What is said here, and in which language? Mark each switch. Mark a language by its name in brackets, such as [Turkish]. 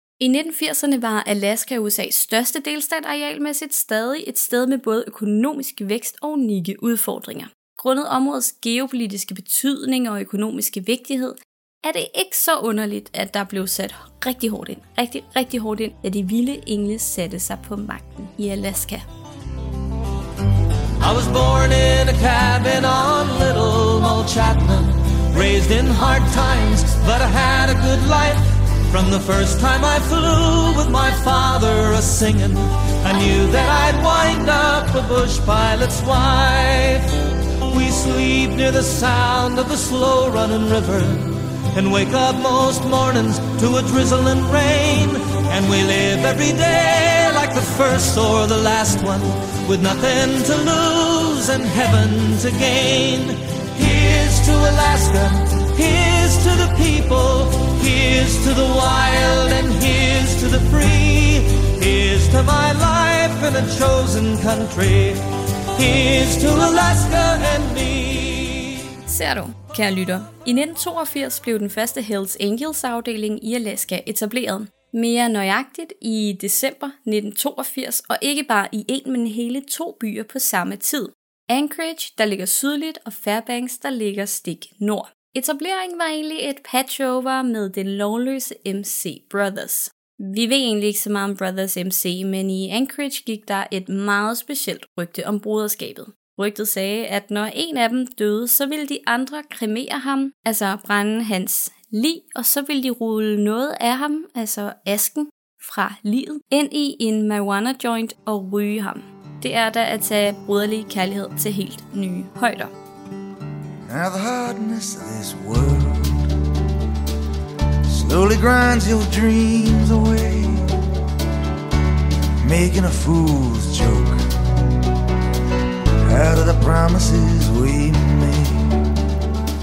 [Danish] I 1980'erne var Alaska USA's største delstat arealmæssigt stadig et sted med både økonomisk vækst og unikke udfordringer. Grundet områdets geopolitiske betydning og økonomiske vigtighed, er det ikke så underligt, at der blev sat rigtig hårdt ind. Rigtig, rigtig hårdt ind, da de vilde engle satte sig på magten i Alaska. [English] I was born in a cabin on Little Mull Chapman, raised in hard times, but I had a good life. From the first time I flew with my father a-singing, I knew that I'd wind up a bush pilot's wife. We sleep near the sound of the slow-running river, and wake up most mornings to a drizzling rain. And we live every day like the first or the last one, with nothing to lose and heaven to gain. Here's to Alaska, here's to the people, here's to the wild and here's to the free. Here's to my life in a chosen country, here's to Alaska and me. [Danish] Ser du, kære lytter. I 1982 blev den første Hells Angels afdeling i Alaska etableret. Mere nøjagtigt i december 1982, og ikke bare i en, men hele to byer på samme tid. Anchorage, der ligger sydligt, og Fairbanks, der ligger stik nord. Etableringen var egentlig et patchover med den lovløse MC Brothers. Vi ved egentlig ikke så meget om Brothers MC, men i Anchorage gik der et meget specielt rygte om broderskabet. Rygtet sagde, at når en af dem døde, så ville de andre kremere ham, altså brænde hans lig, og så ville de rulle noget af ham, altså asken, fra liget, ind i en marijuana joint og ryge ham. Det er da at tage broderlig kærlighed til helt nye højder. [English] Now the hardness of this world slowly grinds your dreams away, making a fool's joke out of the promises we made.